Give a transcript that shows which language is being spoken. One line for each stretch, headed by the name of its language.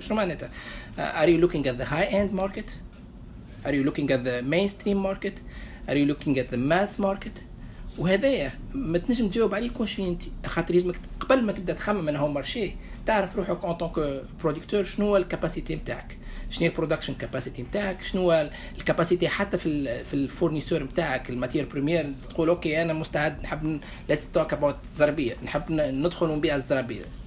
Arabic: شنو معناتها
English: Are you looking at the high end market? Are you looking at the mainstream market? Are you looking at the mass market?
Arabic: وهذايا ما تنجم تجاوب عليه كون شي انت، خاطر لازمك قبل ما تبدا تخمم انه هو مارشي تعرف روحك
French: اون طونك بروديكتور
Arabic: شنو هو الكاباسيتي نتاعك، شنو هي
English: البرودكشن كاباسيتي
Arabic: نتاعك، شنو هو الكاباسيتي حتى في الفورنيسور نتاعك
French: الماتير بريمير،
Arabic: تقول اوكي انا مستعد نحب
English: let's talk about
Arabic: الزرابيه، نحب ندخل ونبيع الزرابيه.